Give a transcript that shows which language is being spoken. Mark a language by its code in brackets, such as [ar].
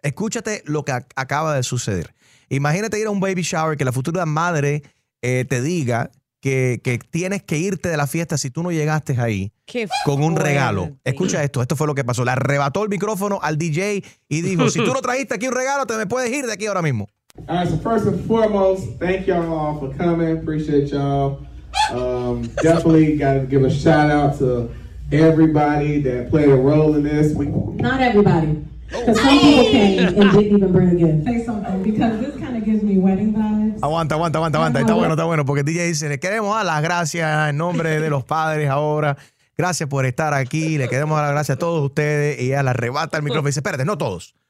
[es] Escúchate lo que acaba de suceder. Imagínate ir a un baby shower que la futura madre te diga que tienes que irte de la fiesta si tú no llegaste ahí con un regalo. Escucha esto, esto fue lo que pasó. Le arrebató el micrófono al DJ y dijo, si tú no trajiste aquí un regalo, te me puedes ir de aquí ahora mismo. [en] So first and foremost, thank y'all all for coming. Appreciate y'all. Definitely gotta give a shout out to everybody that played a role in this. Not everybody. Because some people came and didn't even bring a gift. Say something, because this kind of gives me wedding vibes. [es] Aguanta. Está bueno. Porque DJ dice, le queremos dar las gracias en nombre de los padres ahora. Gracias por estar aquí. Le queremos dar las gracias a todos ustedes. Y ella le arrebata el micrófono y dice, espérate, no todos.